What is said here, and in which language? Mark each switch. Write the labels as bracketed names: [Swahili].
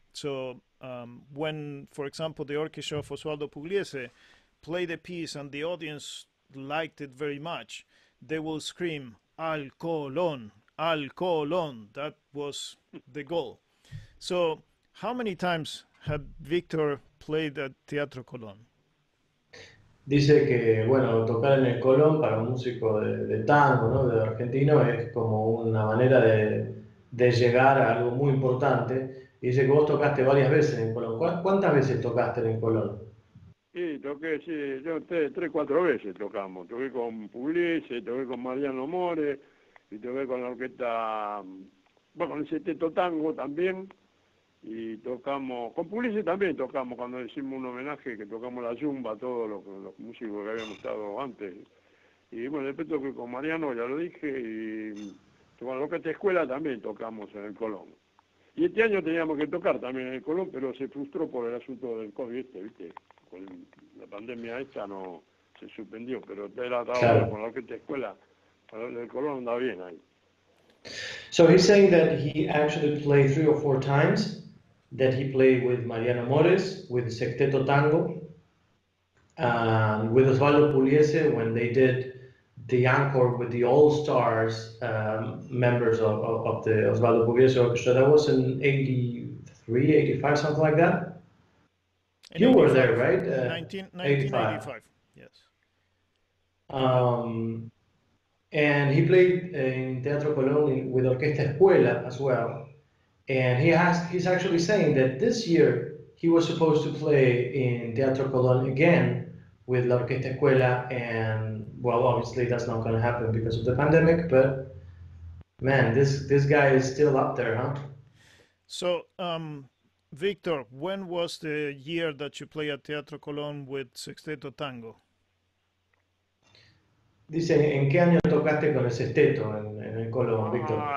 [English] So when, for example, the orchestra of Osvaldo Pugliese played a piece and the audience liked it very much, they will scream, [Spanish] "Al Colón, Al Colón." [English] That was the goal. So how many times had Victor played at Teatro Colón? [Spanish] Dice que, bueno, tocar en el Colón para un músico de tango, ¿no?, de argentino, es como una manera de llegar a algo muy importante. Y dice que vos tocaste varias veces en el Colón. ¿Cuántas veces tocaste en el Colón? Sí, toqué, sí, yo tres, cuatro veces tocamos. Toqué con Pugliese, toqué con Mariano More, y toqué con la orquesta, bueno, con el Seteto Tango también. Y tocamos, con Pugliese también tocamos, cuando hicimos un homenaje, que tocamos la yumba, todos los músicos que habíamos estado antes. Y bueno, después toqué con Mariano, ya lo dije, y con la orquesta escuela también tocamos en el Colón. Y este año teníamos que tocar también en el Colón, pero se frustró por el asunto del COVID, ¿viste? Con la pandemia esta no se suspendió, pero era claro. Con la orquesta escuela, el Colón andaba bien ahí. [English] So he's saying that he actually played three or four times, that he played with Mariano Mores, with Sexteto Tango, with Osvaldo Pugliese when they did the encore with the All-Stars members of the Osvaldo Pugliese Orchestra. That was in 83, 85, something like that. In you were there, right? 1985, yes. And he played in Teatro Colón with Orquesta Escuela as well. And he's actually saying that this year he was supposed to play in Teatro Colón again with La Orquesta Escuela, and well, obviously that's not going to happen because of the pandemic, but man, this guy is still up there, huh? So, Victor, when was the year that you played at Teatro Colón with Sexteto Tango? [Spanish] Dice, ¿en qué año tocaste con el Sexteto en el Colón, Victor?